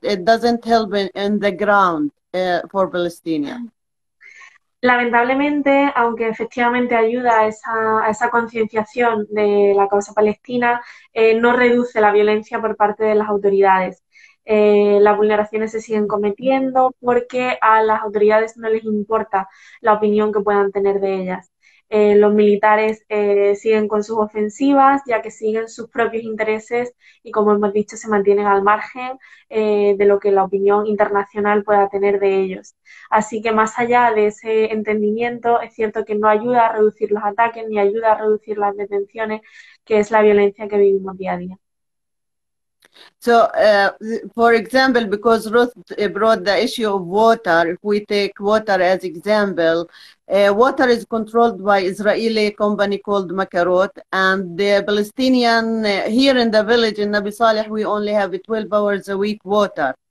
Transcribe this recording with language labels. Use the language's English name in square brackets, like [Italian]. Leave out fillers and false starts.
[English] It doesn't help in the ground for Palestinians. [Spanish] Lamentablemente, aunque efectivamente ayuda a esa concienciación de la causa palestina, no reduce la violencia por parte de las autoridades. Las vulneraciones se siguen cometiendo porque a las autoridades no les importa la opinión que puedan tener de ellas. Los militares siguen con sus ofensivas ya que siguen sus propios intereses y, como hemos dicho, se mantienen al margen de lo que la opinión internacional pueda tener de ellos. Así que más allá de ese entendimiento, es cierto que no ayuda a reducir los ataques ni ayuda a reducir las detenciones, que es la violencia que vivimos día a día. [English] So, for example, because Ruth brought the issue of water, if we take water as example, water is controlled by Israeli company called Makarot, and the Palestinian here in the village in Nabi Saleh, we only have 12 hours a week water.